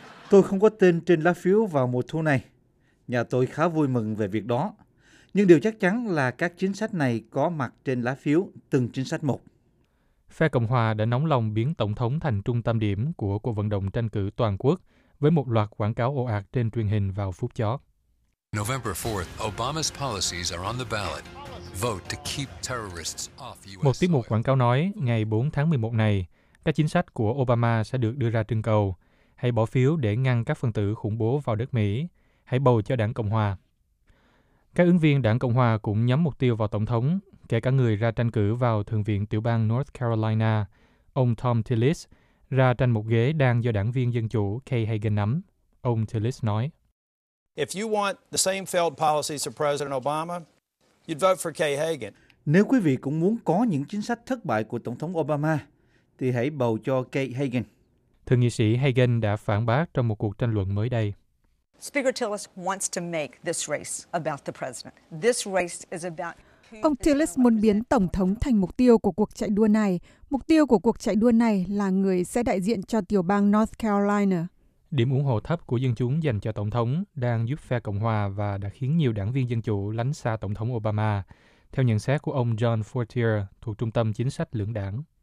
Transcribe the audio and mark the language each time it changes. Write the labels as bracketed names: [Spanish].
[Vietnamese] Tôi không có tên trên lá phiếu vào mùa thu này. Nhà tôi khá vui mừng về việc đó. Nhưng điều chắc chắn là các chính sách này có mặt trên lá phiếu, từng chính sách một. Phe Cộng Hòa đã nóng lòng biến Tổng thống thành trung tâm điểm của cuộc vận động tranh cử toàn quốc với một loạt quảng cáo ồ ạt trên truyền hình vào phút chót. [English] November 4th, Obama's policies are on the ballot. Vote to keep terrorists off US. [Vietnamese] Một tiết mục quảng cáo nói, ngày 4 tháng 11 này, các chính sách của Obama sẽ được đưa ra trưng cầu. Hãy bỏ phiếu để ngăn các phần tử khủng bố vào đất Mỹ. Hãy bầu cho đảng Cộng Hòa. Các ứng viên đảng Cộng Hòa cũng nhắm mục tiêu vào Tổng thống, kể cả người ra tranh cử vào Thượng viện tiểu bang North Carolina, ông Tom Tillis, ra tranh một ghế đang do đảng viên Dân Chủ Kay Hagan nắm. Ông Tillis nói, [English] If you want the same failed policies of President Obama, you'd vote for Kay Hagan. [Vietnamese] Nếu quý vị cũng muốn có những chính sách thất bại của Tổng thống Obama, thì hãy bầu cho Kay Hagan. Thượng nghị sĩ Hagan đã phản bác trong một cuộc tranh luận mới đây. [English] Speaker Tillis wants to make this race about the president. This race is about. [Vietnamese] Ông Tillis muốn biến Tổng thống thành mục tiêu của cuộc chạy đua này. Mục tiêu của cuộc chạy đua này là người sẽ đại diện cho tiểu bang North Carolina. Điểm ủng hộ thấp của dân chúng dành cho Tổng thống đang giúp phe Cộng Hòa và đã khiến nhiều đảng viên Dân Chủ lánh xa Tổng thống Obama, theo nhận xét của ông John Fortier thuộc Trung tâm Chính sách Lưỡng Đảng.